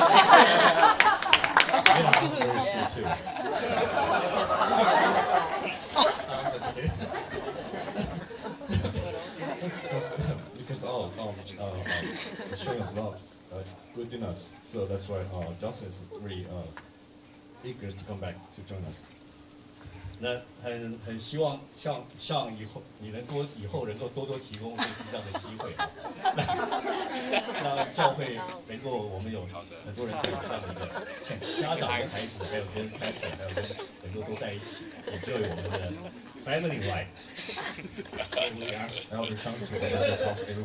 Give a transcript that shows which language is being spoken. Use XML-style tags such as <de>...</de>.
<en>哈哈哈哈哈哈 ！Because all showing love, goodness, so that's why Justin is very eager to come back to join us.</en> <zh>那很希望像以后你能多以后能够多多提供类似这样的机会，让教会能够我们有很多人可以这样的一个家长跟孩子，还有跟孩子，还有跟能够都在一起，也就有我们的</zh> <en>family life。 And we ask elder Sean to come to this house every</en>